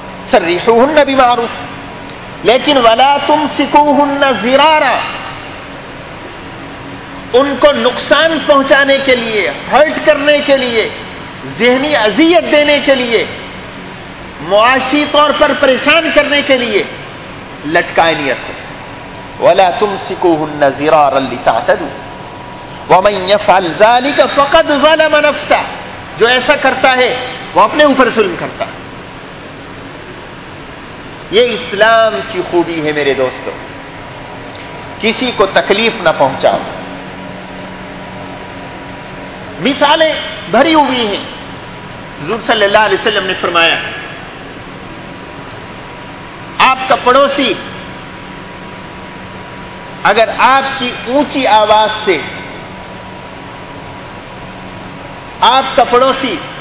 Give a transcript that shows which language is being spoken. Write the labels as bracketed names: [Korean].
[Arabic] سرحوہن بمعروف. [Urdu] لیکن [Arabic] ولا تمسکوہن ضرارا، [Urdu] ان کو نقصان پہنچانے کے لیے، ہرٹ کرنے کے لیے، ذہنی اذیت دینے کے لیے، معاشی طور پر پریشان کرنے کے لیے لٹکائے نہیں رکھو. [Arabic] ولا تمسکوہن ضرارا لتعتدوا ومن يفعل ذلك فقد ظلم نفسه. [Urdu] جو ایسا کرتا ہے وہ اپنے اوپر ظلم کرتا ہے. یہ اسلام کی خوبی ہے میرے دوستو، کسی کو تکلیف نہ پہنچاؤ. مثالیں بھری ہوئی ہیں. حضور صلی اللہ علیہ وسلم نے فرمایا آپ کا پڑوسی اگر آپ کی اونچی آواز سے، آپ کا پڑوسی